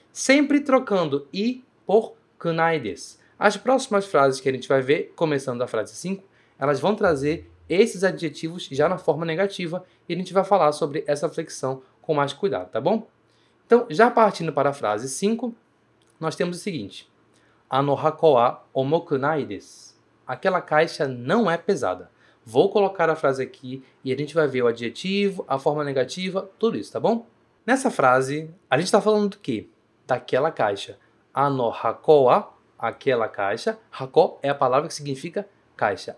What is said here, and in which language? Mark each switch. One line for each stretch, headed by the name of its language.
Portuguese: Sempre trocando i por kunai desu. As próximas frases que a gente vai ver, começando a frase 5, elas vão trazer esses adjetivos já na forma negativa e a gente vai falar sobre essa flexão com mais cuidado, tá bom? Então, já partindo para a frase 5, nós temos o seguinte.
Japanese: あの箱は重くないです。
Portuguese: Aquela caixa não é pesada. Vou colocar a frase aqui e a gente vai ver o adjetivo, a forma negativa, tudo isso, tá bom? Nessa frase, a gente está falando do quê? Daquela caixa.
Japanese: Ano hako wa,
Portuguese: aquela caixa. Hako é a palavra que significa caixa.